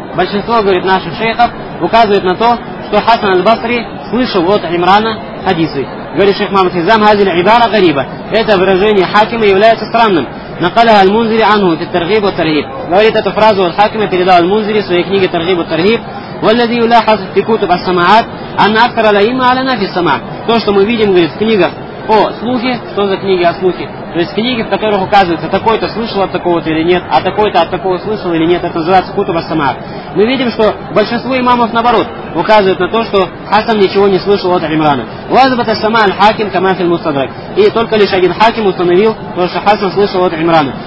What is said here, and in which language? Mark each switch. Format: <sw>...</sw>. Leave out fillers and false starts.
<ru>Большинство, говорит, наших шейхов указывает на то, что Хасан аль-Басри слышал от Имрана хадисы. Говорит шейх Мамад Хизам,</ru> <ar>«Хазиль ибара гариба».</ar> <ru>Это выражение Хакима является странным.</ru> <ar>«Накаля аль-Мунзири ангу фит таргибу таргиб».</ar> <ru>Говорит эту фразу от Хакима, передал аль-Мунзири в своей книге «Таргибу таргиб».</ru> <ar>والذي يلاحظ في كتب السماعات أن أكثر الأئمة على نفس السماع.</ar> <ru>То, что мы видим, говорит, в книгах о слухе, что за книги о слухе, то есть книги, в которых указывается, такой-то слышал от такого-то или нет, а такой-то от такого слышал или нет, это называется кутуб ас-самаат. Мы видим, что большинство имамов, наоборот, указывают на то, что Хасан ничего не слышал от Имрана.</ru> <ar>Уазбата сама аль-Хаким кама фи аль-Мустадрак.</ar> <ru>И только лишь один Хаким установил то, что Хасан слышал от Имрана.</ru>